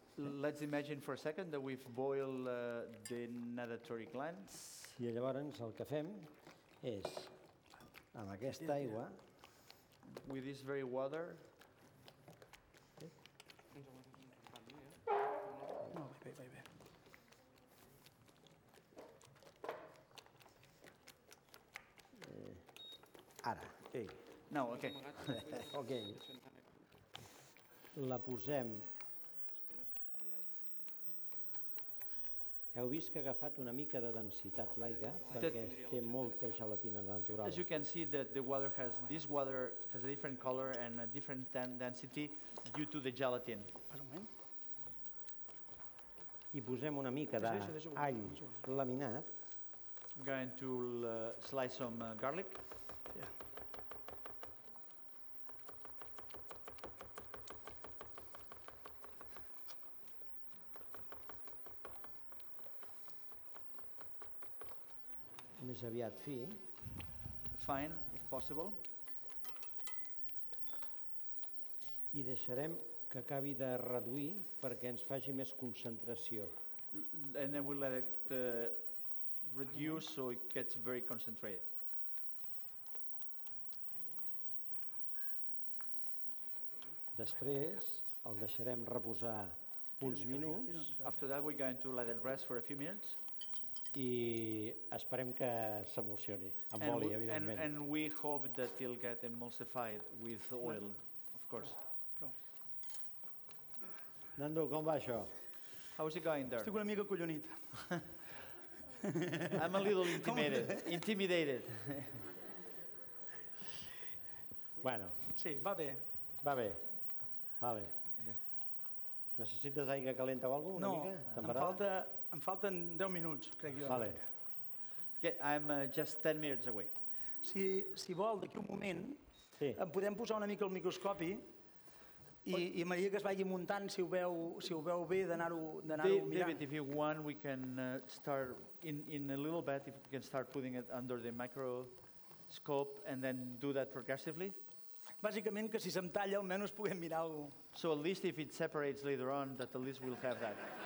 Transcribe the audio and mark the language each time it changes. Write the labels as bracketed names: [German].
[English] Let's imagine for a second that we've boiled the natatory glands. [Catalan] I llavors el que fem és amb aquesta aigua, [English] with this very water. [Catalan] Ara. [English] No, okay. [Catalan] Okay. La posem. Heu vist que ha agafat una mica de densitat l'aigua, perquè té molta gelatina natural. [English] As you can see, that the water has, this water has a different color and a different density due to the gelatin. [Catalan] Per un moment. I posem una mica d'all laminat. [English] I'm going to slice some garlic. [Catalan] Més aviat fi. [English] Fine, if possible. [Catalan] I deixarem que acabi de reduir perquè ens faci més concentració. [English] And then we'll let it reduce so it gets very concentrated. [Catalan] Després el deixarem reposar uns minuts. [English] After that we're going to let it rest for a few minutes. [Catalan] I esperem que s'emulsioni, amb oli, evidentment. [English] And we hope that it'll get emulsified with oil, of course. [Catalan] Nando, com va això? [English] How is it going there? [Catalan] Estic una mica collonit. [English] I'm a little intimidated. Intimidated. [Catalan] Bueno. Sí, va bé. Va bé. Vale. Necessites aigua calenta o alguna cosa? No, em falten 10 minuts, crec jo. Vale. [English] Okay, I'm just 10 minutes away. [Catalan] Si vol, d'aquí un moment, em podem posar una mica al microscopi i a medida que es vagi muntant, si ho veu bé, d'anar-ho mirant. [English] David, if you want, we can start in a little bit, if we can start putting it under the microscope and then do that progressively. [Catalan] Bàsicament, que si se'm talla, almenys puguem mirar alguna cosa. [English] So at least if it separates later on, that at least we'll have that.